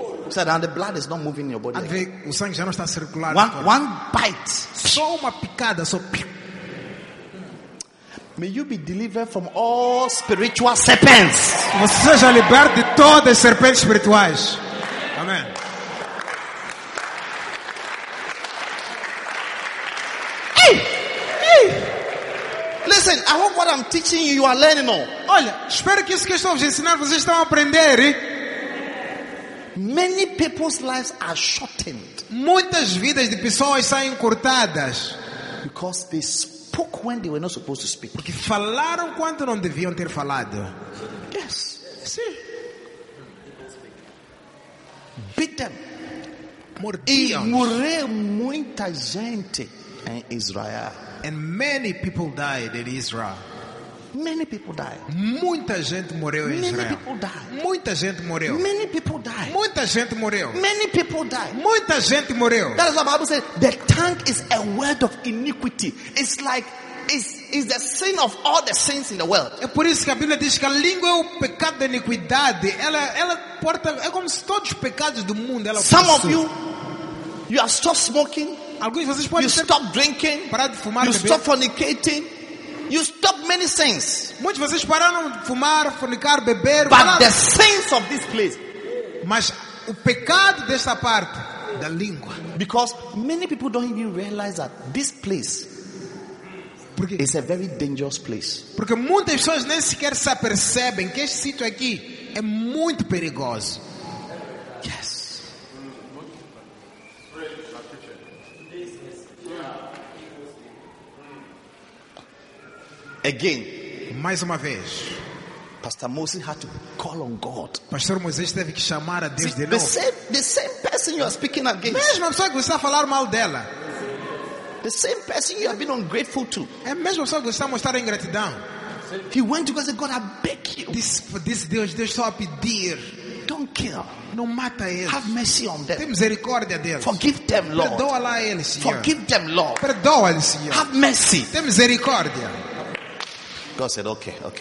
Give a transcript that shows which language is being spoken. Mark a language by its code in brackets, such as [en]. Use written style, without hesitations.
[en] So now the blood is not moving in your body. [pt] Vê, o sangue já não está circulando. [en] One bite. [pt] Só uma picada, só. [en] May you be delivered from all spiritual serpents. [pt] Você seja liberto de todas as serpentes espirituais. Amém. [en] Listen, I hope what I'm teaching you, you are learning all. [pt] Olha, espero que isso que estou a ensinar vocês estão a aprender. [en] Many people's lives are shortened. [pt] Muitas vidas de pessoas são encurtadas. [en] Because they spoke when they were not supposed to speak. [pt] Porque falaram quando não deviam ter falado. [en] Yes. [pt] Sim. [en] Beat them. [pt] Mordiam. E morreu muita gente em Israel. [en] And many people died in Israel. Many people died. [pt] Muita gente morreu em Israel. [en] Many people died. [pt] Muita gente morreu. [en] Many people died. [pt] Muita gente morreu. [en] Many people died. [pt] Muita gente morreu. [en] That is what the Bible says. The tongue is a word of iniquity. It's like it's the sin of all the sins in the world. [pt] É por isso que a Bíblia diz que a língua é o pecado da iniquidade. Ela porta é como se todos os pecados do mundo ela [en] possui. Some of you are still smoking. [pt] Alguns de vocês podem [en] stop drinking, [pt] parar de fumar, [en] you stop fornicating, you stop many things. [pt] Muitos de vocês pararam de fumar, fornicar, beber. [en] But the sins of this place. [pt] Mas o pecado desta parte da língua. [en] Because many people don't even realize that this place is a very dangerous place. [pt] Porque muitas pessoas nem sequer se apercebem que este sítio aqui é muito perigoso. [en] Yes. Again, [pt] mais uma vez, [en] Pastor Moses had to call on God. [pt] Pastor Moses teve que chamar a Deus. [en] See, [pt] de novo. [en] The same person you are speaking against. [pt] Mesma pessoa que você está a falar mal dela. [en] The same person you have been ungrateful to. [pt] É mesma pessoa que você está a mostrar ingratidão. [en] He went to God and said, God, I beg you. [pt] This Deus só a pedir. [en] Don't kill. [pt] Não mata eles. [en] Have mercy on them. [pt] Tem misericórdia deles. [en] Forgive them, Lord. [pt] Perdoa lá eles, Senhor. [en] Forgive them, Lord. [pt] Perdoa eles, Senhor. [en] Have mercy. [pt] Tem misericórdia. [en] God said, okay.